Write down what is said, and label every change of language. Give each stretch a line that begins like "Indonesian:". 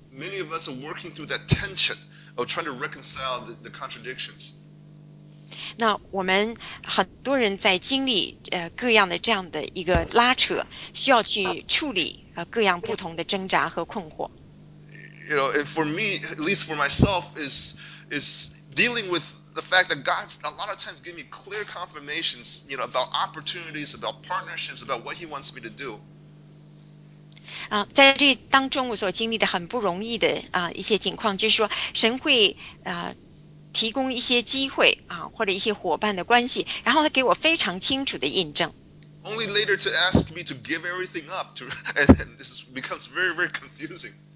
English: Many of us are working through that tension of trying to reconcile the contradictions.
Chinese: 那我们很多人在经历各样的这样的一个拉扯，需要去处理各样不同的挣扎和困惑。
English: And for me, at least for myself, is dealing with the fact that God's a lot of times giving me clear confirmations, about opportunities, about partnerships, about what He wants me to do.
Chinese: 在这当中，我所经历的很不容易的一些情况，就是说神会。提供一些机会或者一些伙伴的关系，然后他给我非常清楚的印证。
English: Only later to ask me to give everything up, and this becomes very, very confusing.